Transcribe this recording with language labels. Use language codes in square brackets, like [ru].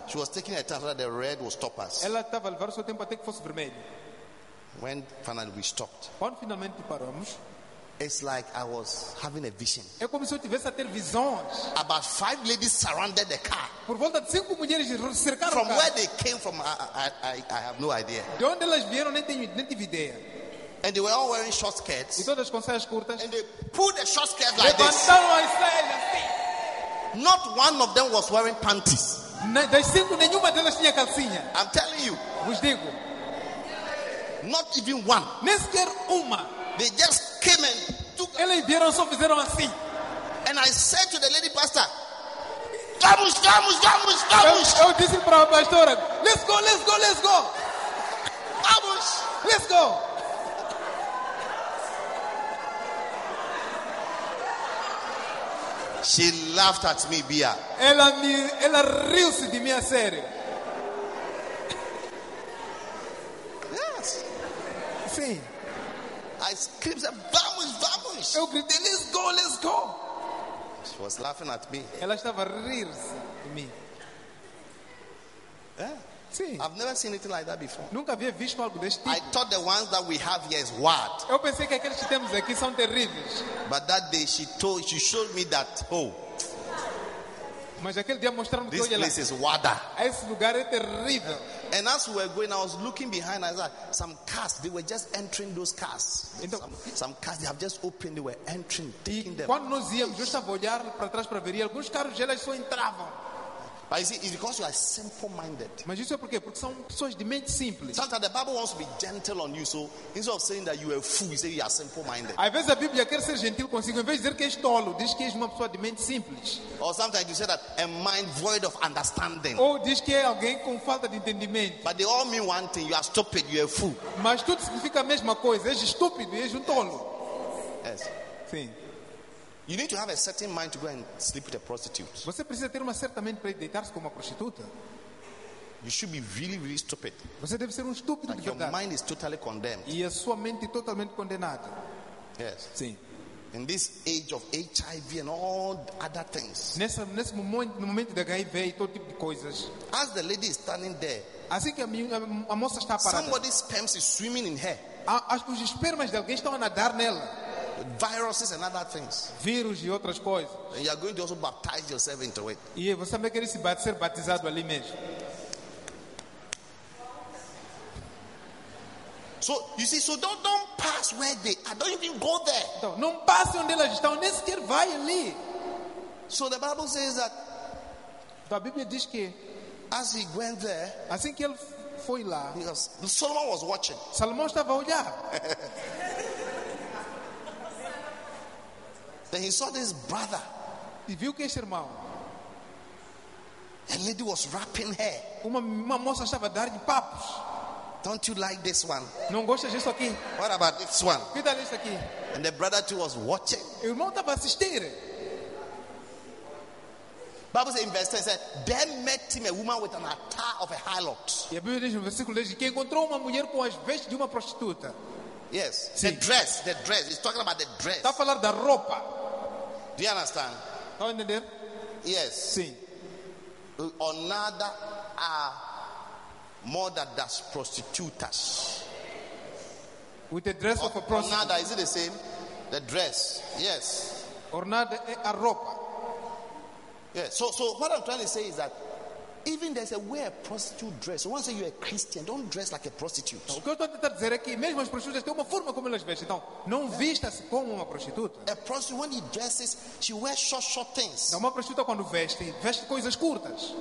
[en] So she was taking her time that the red will stop us. [pt] Ela estava a levar seu tempo até que fosse vermelho. [en] When finally we stopped. [pt] Quando finalmente paramos. [en] It's like I was having a vision. [pt] É como se eu tivesse a ter visões. [en] About five ladies surrounded the car. [pt] Por volta de cinco mulheres cercaram o carro. [en] From where they came from, I have no idea. [pt] De onde elas vieram, nem tive ideia. [en] And they were all wearing short skirts. [pt] E todas com saias curtas. [en] And they pulled the short skirt like this. [pt] Levantaram as saias. [en] Not one of them was wearing panties. [pt] Das cinco, nenhuma delas tinha calcinha. [en] I'm telling you. [pt] Vos digo. [en] Not even one. [pt] Nem sequer uma. [en] They just came and took. [pt] Eles vieram, só fizeram assim. [en] And I said to the lady pastor, [pt] vamos, vamos, vamos, vamos. Eu disse para a pastora, [en] let's go, let's go, let's go. [pt] Vamos, [en] let's go. She laughed at me, Bia. [pt] Ela riu-se de mim a sério. [en] Yes. [pt] Sim. [en] I screamed, [pt] vamos, vamos. Eu gritei, [en] let's go, let's go. She was laughing at me. [pt] Ela estava a rir-se de mim. [en] Yeah. [pt] Sim. [en] I've never seen anything like that before. [pt] Nunca havia visto algo deste tipo. [en] I thought the ones that we have here is wild. [pt] Eu pensei que aqueles que temos aqui são terríveis. [en] But that day she showed me that, oh. [pt] Mas aquele dia mostrou-me que olha, is wada. Esse lugar é terrível. Yeah. [en] And as we were going, I was looking behind us at some cars. They were just entering those cars. Some cars, they have just opened. They were entering, taking them. [pt] Quando nós íamos, eu estava a olhar para trás para ver. E alguns carros, elas só entravam. [en] But you see, it's because you are simple-minded. [pt] Mas isso é por quê? Porque são pessoas de mente simples. [en] Sometimes the Bible wants to be gentle on you. So instead of saying that you are a fool, you say you are simple-minded. [pt] Às vezes a Bíblia quer ser gentil consigo. Em vez de dizer que és tolo, diz que és uma pessoa de mente simples. [en] Or sometimes you say that a mind void of understanding. [pt] Ou diz que é alguém com falta de entendimento. [en] But they all mean one thing. You are stupid. You are a fool. [pt] Mas tudo significa a mesma coisa. És estúpido. És tolo. [en] Yes. [pt] Sim. [en] You need to have a certain mind to go and sleep with a prostitute. [pt] Você precisa ter uma certa mente para deitar-se com uma prostituta. [en] You should be really, really stupid. [pt] Você deve ser estúpido. [en] Like your mind is totally condemned. [pt] E a sua mente totalmente condenada. [en] Yes. [pt] Sim. [en] In this age of HIV and all other things. [pt] Nesse momento da HIV e todo tipo de coisas. [en] As the lady is standing there. [pt] Assim que a moça está parada. [en] Somebody's sperm is swimming in her. [pt] Os espermas de alguém estão a nadar nela. [en] Viruses and other things. [pt] Vírus e outras coisas. [en] And you are going to also baptize yourself into it. [pt] E você também quer ser batizado ali mesmo. [en] So you see, so don't pass where they are. Don't even go there. [pt] Então, não passe onde elas estão, nem sequer vai ali. [en] So the Bible says that. [pt] Então, a Bíblia diz que, [en] as he went there, [pt] assim que ele foi lá, [en] Solomon was watching. [pt] Salomão estava a olhar. [en] Then he saw this brother. [pt] E viu que esse irmão. [en] A lady was wrapping hair. [pt] Uma moça estava a dar de papos. [en] Don't you like this one? [pt] Não gostas disso aqui? [en] What about this one? [pt] Que tal isso aqui? [en] And the brother too was watching. [pt] E o irmão estava a assistir. [en] Bible says in verse 10, then met him a woman with an attire of a harlot. [pt] E a Bíblia diz no versículo 10 que encontrou uma mulher com as vestes de uma prostituta. [en] Yes, sim. The dress. He's talking about the dress. [pt] Está a falar da roupa. [en] Do you understand? [pt] Está a entender? [en] Yes. [pt] Sim. Another more than does prostitutas. [en] With the dress of a prostitute. Another, is it the same? The dress. Yes. [pt] Ornada é a roupa. [en] Yes. So what I'm trying to say is that even there's a way a prostitute dress. So once say you're a Christian, don't dress like a prostitute. [pt] O que eu estou a tentar dizer é que mesmo as prostitutas têm uma forma como elas vestem. Então, não vista-se como uma prostituta. [en] A prostitute, when she dresses, she wears short things. [pt] Então, uma prostituta quando veste coisas curtas.